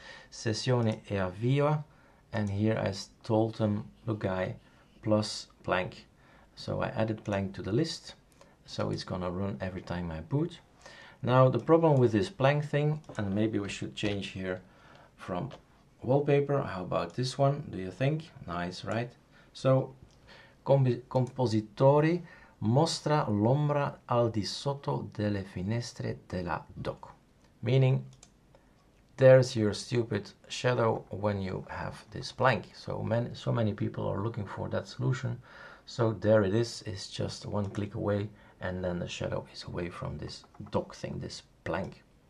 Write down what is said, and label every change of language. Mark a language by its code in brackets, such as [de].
[it] Sessione e avvia. [en] And here I told them Lugai plus plank. So I added plank to the list. So it's gonna run every time I boot. Now the problem with this plank thing, and maybe we should change here from wallpaper. How about this one? Do you think? Nice, right? [it] So, compositori mostra l'ombra al di sotto delle finestre della doc. [en] Meaning, there's your stupid shadow when you have this blank. So many people are looking for that solution. So there it is, it's just one click away, and then the shadow is away from this dock thing, this blank.